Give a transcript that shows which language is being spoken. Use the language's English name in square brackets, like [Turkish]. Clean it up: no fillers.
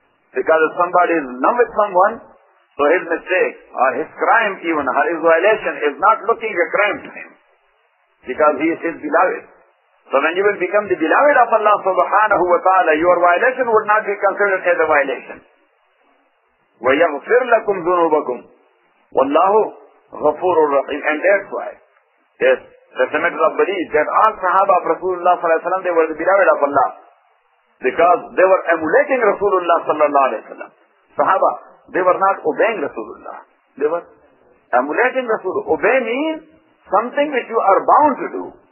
[English] Because if somebody is numb with someone, so his mistake or his crime even, or his violation is not looking a crime to him. Because he is his beloved. So when you will become the beloved of Allah subhanahu wa ta'ala, your violation would not be considered as a violation. [Arabic] وَيَغْفِرْ لَكُمْ ذُنُوبَكُمْ وَاللَّهُ غَفُورُ الرَّحِيمُ [English] And that's why. Yes, that's a matter of belief that all Sahaba of Rasulullah صلى الله عليه وسلم, they were the beloved of Allah. Because they were emulating Rasulullah صلى الله عليه وسلم. Sahaba, they were not obeying Rasulullah. They were emulating Rasulullah. Obey means something which you are bound to do.